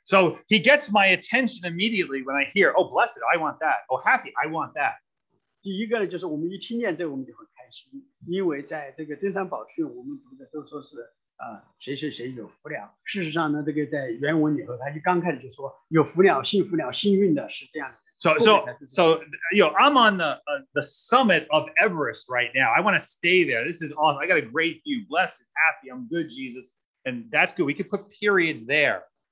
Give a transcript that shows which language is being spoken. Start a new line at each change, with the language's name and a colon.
English: So he gets my attention immediately when I hear, oh, blessed, I want that. Oh, happy, I want that.
Chinese: 第一个呢，就是我们一听见这个，我们就很开心，因为在这个登山宝训，我们读的都说是。谁是谁有福了？事实上呢，这个在原文里头，他一刚开始就说有福了、幸福了、幸运的，是这样的。
English: So you know, I'm on the summit of Everest right now. I want to stay there. This is awesome. I got a great view. Blessed, happy. I'm good, Jesus, and that's good. We could put period there.